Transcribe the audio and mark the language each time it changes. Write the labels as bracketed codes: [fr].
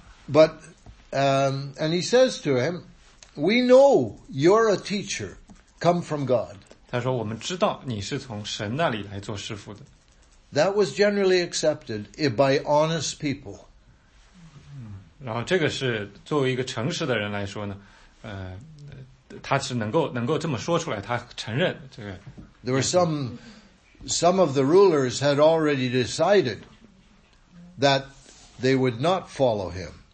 [en] But and he says to him, "We know you're a teacher, come from God." [zh] 他说，我们知道你是从神那里来做师傅的。 [en] That was generally accepted by honest people. [zh] 然后这个是作为一个诚实的人来说呢，他是能够这么说出来，他承认这个。 [en] There were some of the rulers had already decided that they would not follow him.